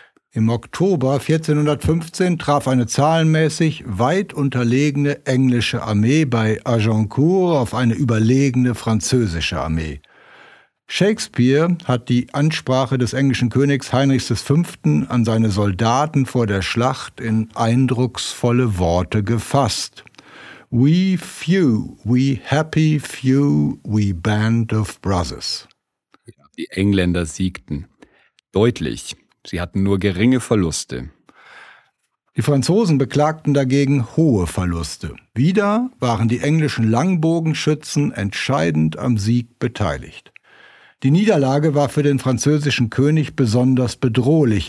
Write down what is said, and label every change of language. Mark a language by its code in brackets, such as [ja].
[de] Im Oktober 1415 traf eine zahlenmäßig weit unterlegene englische Armee bei Agincourt auf eine überlegene französische Armee. Shakespeare hat die Ansprache des englischen Königs Heinrichs V. an seine Soldaten vor der Schlacht in eindrucksvolle Worte gefasst. [en] We few, we happy few, we band of brothers. [de] Die Engländer siegten. Deutlich. Sie hatten nur geringe Verluste. Die Franzosen beklagten dagegen hohe Verluste. Wieder waren die englischen Langbogenschützen entscheidend am Sieg beteiligt. Die Niederlage war für den französischen König besonders bedrohlich.